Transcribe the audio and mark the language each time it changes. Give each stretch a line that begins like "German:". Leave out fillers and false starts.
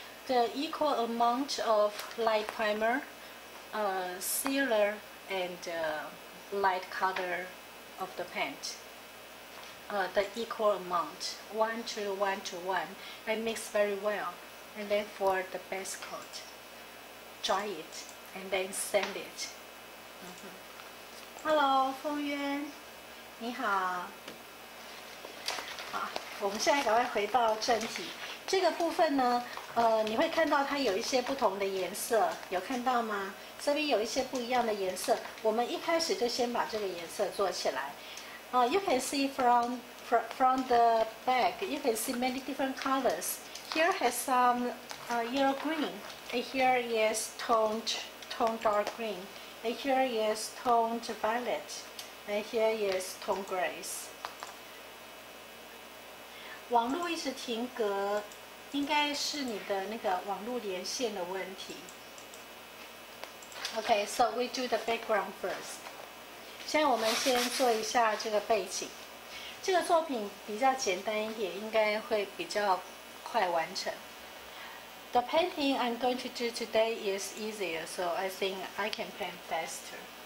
English: The equal amount of light primer, sealer, and light color of the paint. The equal amount, 1:1:1. I mix very well, and then for the base coat. Dry it and then sand it.、Mm-hmm.
Chinese: Hello, 风渊，你好。好，我们现在赶快回到正题。这个部分呢，你会看到它有一些不同的颜色，有看到吗？这边有一些不一样的颜色。我们一开始就先把这个颜色做起来。
English: You can see from the bag, you can see many different colors. Here has some yellow green. And here is toned dark green. And here is toned violet. And here is toned gray.
Chinese: 网络一直停格，应该是你的那个网络连线的问题。
English: Okay, so we do the background first.
Chinese: 现在我们先做一下这个背景。这个作品比较简单一点，应该会比较快完成。
English: The painting I'm going to do today is easier, so I think I can paint faster.